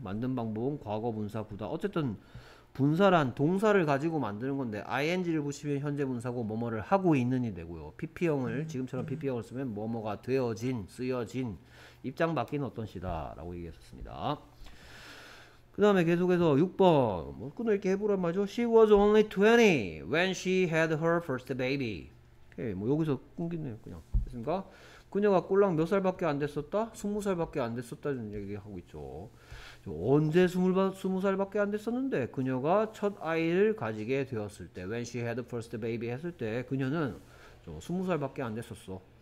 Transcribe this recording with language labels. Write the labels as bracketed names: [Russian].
[Korean] 만든 방법은 과거 분사 구다. 어쨌든 분사란 동사를 가지고 만드는 건데 ing를 붙이면 현재 분사고 뭐뭐를 하고 있는이 되고요. PP형을 지금처럼 PP형을 쓰면 뭐뭐가 되어진, 쓰여진, 입장 바뀐 어떤 시다라고 얘기했었습니다. 그다음에 계속해서 6번. 뭐 끊어 이렇게 해보란 말이죠. [English] She was only 20 when she had her first baby. [Korean] 오케이, 뭐 여기서 끊겼네요, 그냥. 됐습니까? 그녀가 꼴랑 몇 살밖에 안 됐었다? 20살밖에 안 됐었다는 얘기하고 있죠. 언제 20살밖에 안 됐었는데 그녀가 첫 아이를 가지게 되었을 때 [English] When she had first baby [Korean] 했을 때 그녀는 20살밖에 안 됐었어.